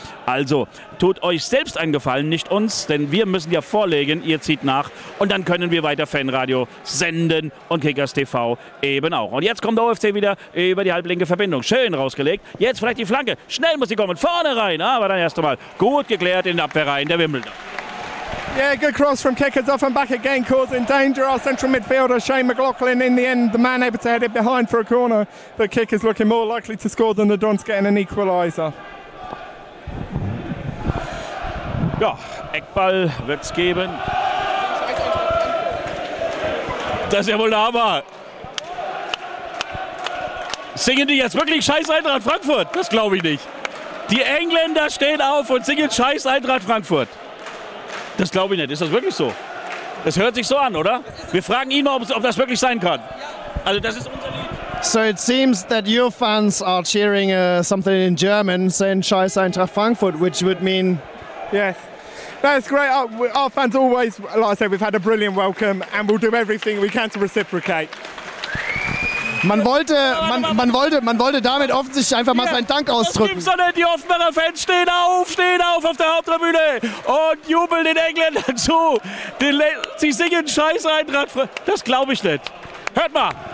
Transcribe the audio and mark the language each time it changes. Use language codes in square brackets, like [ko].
[de] Also, tut euch selbst einen Gefallen, nicht uns. Denn wir müssen ja vorlegen, ihr zieht nach. Und dann können wir weiter Fanradio senden und Kickers TV eben auch. Und jetzt kommt der OFC wieder über die halblinke Verbindung. Schön rausgelegt. Jetzt vielleicht die Flanke. Schnell muss sie kommen. Vorne rein. Aber dann erst einmal gut geklärt in der Abwehrreihe der Wimbledon. [en] Yeah, good cross from Kickers off and back again, causing danger. Our central midfielder Shane McLaughlin in the end, the man able to head it behind for a corner. The Kickers looking more likely to score than the Dons getting an equaliser. [de] Ja, Eckball wird es geben. Das ist ja wohl der Hammer. Singen die jetzt wirklich Scheiß Eintracht Frankfurt? Das glaube ich nicht. Die Engländer stehen auf und singen Scheiß Eintracht Frankfurt. Das glaube ich nicht. Ist das wirklich so? Das hört sich so an, oder? Wir fragen ihn mal, ob das wirklich sein kann. Also das ist unser Lied. [en] So it seems that your fans are cheering something in German, saying [de] Scheiß Eintracht Frankfurt, [en] which would mean... Yes. That's great. Our fans always, like I said, we've had a brilliant welcome and we'll do everything we can to reciprocate. [de] Man wollte damit offensichtlich einfach mal seinen Dank ausdrücken. Das gibt's doch nicht. Die Offenbacher Fans stehen auf der Haupttribüne und jubeln den Engländern zu. Sie singen Scheiß Eintracht. Das glaube ich nicht. Hört mal.